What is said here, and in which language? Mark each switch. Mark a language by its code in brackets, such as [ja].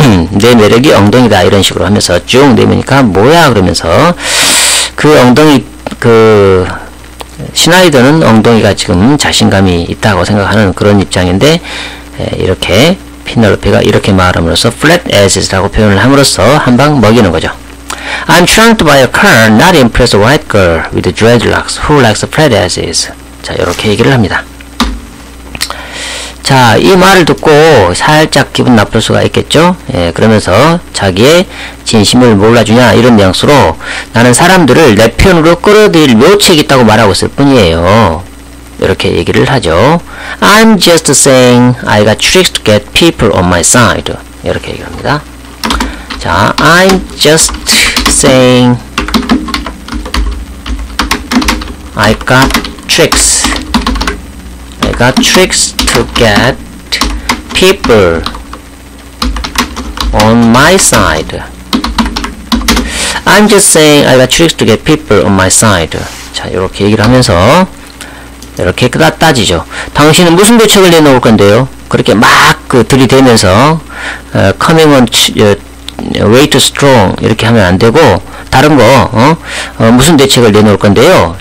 [ko] 내 매력이 엉덩이다 이런 식으로 하면서 쭉 내미니까 뭐야 그러면서 그 엉덩이 그 시나이더는 엉덩이가 지금 자신감이 있다고 생각하는 그런 입장인데 이렇게 피널로페가 이렇게 말함으로써 [en] flat asses [ko] 라고 표현을 함으로써 한방 먹이는 거죠. [en] I'm trying to buy a car, not impress a white girl with dreadlocks who likes flat asses. [ko] 자, 이렇게 얘기를 합니다. 자, 이 말을 듣고 살짝 기분 나쁠 수가 있겠죠? 예, 그러면서 자기의 진심을 몰라주냐 이런 뉘앙스로 나는 사람들을 내 편으로 끌어들일 묘책이 있다고 말하고 있을 뿐이에요. 이렇게 얘기를 하죠. [en] I'm just saying I got tricks to get people on my side. [ko] 이렇게 얘기합니다. [en] 자, I'm just saying I got tricks to get people on my side. I'm just saying I got tricks to get people on my side. [ko] 자, 이렇게 얘기를 하면서 이렇게 따지죠. 당신은 무슨 대책을 내놓을 건데요? 그렇게 막 그 들이대면서 [en] coming on way too strong [ko] 이렇게 하면 안 되고 다른 거 무슨 대책을 내놓을 건데요.